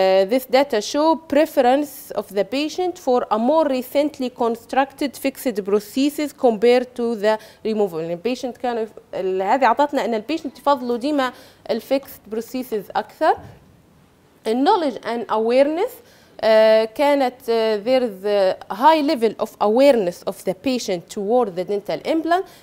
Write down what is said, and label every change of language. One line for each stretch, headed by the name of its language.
English: This data show preference of the patient for a more recently constructed fixed prosthesis compared to the removable.
Arabic: البيشنت كان هذه عطتنا أن البيشنت يفضلوا ديما الفيكسد prosthesis أكثر.
English: Knowledge and awareness
Arabic: كانت
English: there's a high level of awareness of the patient toward the dental implant.